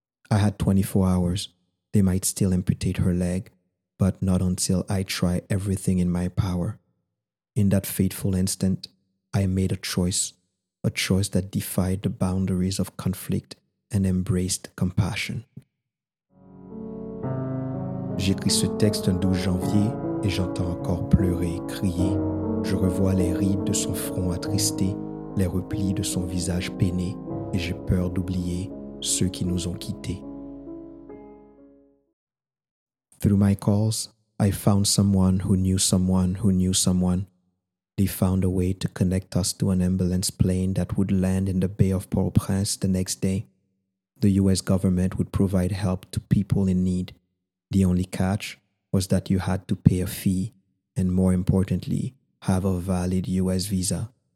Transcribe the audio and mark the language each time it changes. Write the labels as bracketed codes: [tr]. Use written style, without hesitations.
[en] I had 24 hours. They might still amputate her leg, but not until I try everything in my power. In that fateful instant, I made a choice that defied the boundaries of conflict and embraced compassion. [fr] J'écris ce texte un 12 janvier et j'entends encore pleurer, crier. Je revois les rides de son front attristé, les replis de son visage peiné, et j'ai peur d'oublier ceux qui nous ont quittés. [en] Through my calls, I found someone who knew someone who knew someone. They found a way to connect us to an ambulance plane that would land in the Bay of Port-au-Prince the next day. The US government would provide help to people in need. The only catch was that you had to pay a fee and, more importantly, have a valid US visa.